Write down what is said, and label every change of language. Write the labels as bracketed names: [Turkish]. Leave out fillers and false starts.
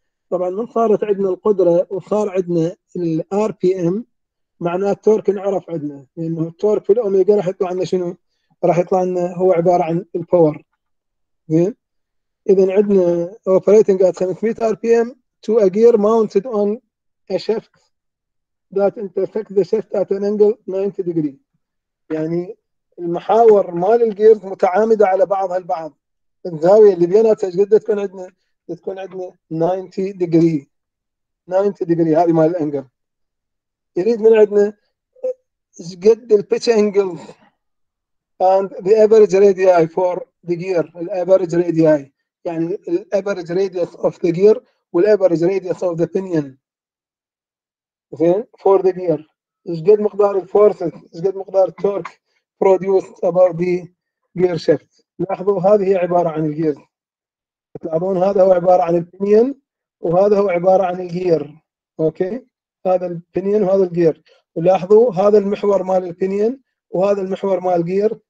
[Arabic] طبعا من صارت عندنا القدرة وصار عندنا الـ RPM معناه التورك نعرف عندنا لأنه التورك في الأوميجا راح يطلع لنا شنو؟ راح يطلع لنا هو عبارة عن الباور. زين إذا عندنا [English] operating at 500 RPM to a gear mounted on a shaft that intersects the shaft at an angle 90 degree. [Arabic] يعني المحاور مال الجير متعامدة على بعضها البعض. الزاوية اللي بيناتها ايش قد تكون عندنا؟ تكون عندنا 90 degree. 90 degree هذه مال الانجل. يريد من عندنا ايش قد البيتش انجل [English] and the average radii for the gear, the average radii. يعني the average radius of the gear والthe average radius of the pinion. For the gear. [Arabic] ايش قد مقدار الفورسز؟ ايش قد مقدار التورك؟ [English] produced about the gear shaft. [Arabic] لاحظوا هذه هي عبارة عن الجير. تلاحظون هذا هو عبارة عن البنيان وهذا هو عبارة عن الجير. أوكي؟ هذا البنيان وهذا الجير. ولاحظوا هذا المحور مال البنيان وهذا المحور مال الجير.